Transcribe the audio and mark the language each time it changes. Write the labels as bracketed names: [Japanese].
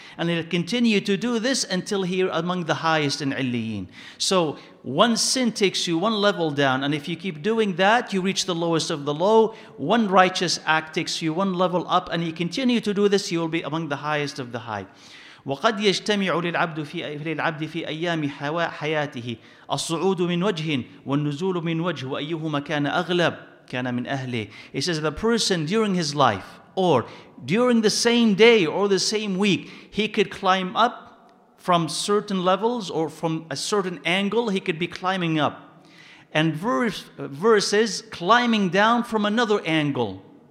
[English] And he'll continue to do this until he's among the highest in Illiyin. So one sin takes you one level down. And if you keep doing that, you reach the lowest of the low. One righteous act takes you one level up. And you continue to do this, you will be among the highest of the high. [Arabic] وقد يجتمع للعبد في للعبد في أيام حياته الصعود من وجه والنزول من وجه وأيهما كان أغلب كان من أهله. [English] He says the person during his life or during the same day or the same week, he could climb up from certain levels or from a certain angle, he could be climbing up. And verses climbing down from another angle.